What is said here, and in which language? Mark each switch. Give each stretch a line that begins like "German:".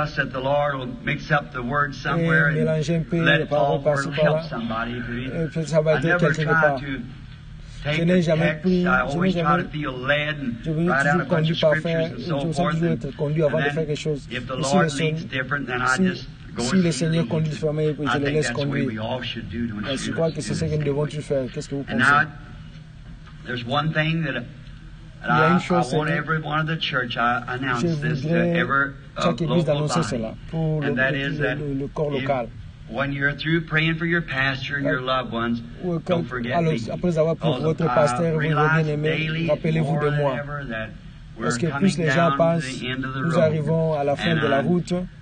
English: I thought, what would I say tonight up here in this little church? I don't know what. I just have to take a little text and trust that the Lord will mix up the word somewhere and let Paul help somebody. I never try to
French: je n'ai jamais pu, je n'ai jamais conduit pour faire quelque chose. Et si le Seigneur, si le Seigneur conduit, je le laisse conduire. Et je crois que c'est ce que nous devons tout faire. Qu'est-ce que vous pensez?
English: I want every one of the church to announce this to every local body, and that is that when you're through praying for your pastor and your loved ones, don't forget me. Realize daily, more than ever, that we're coming down to the end of the road.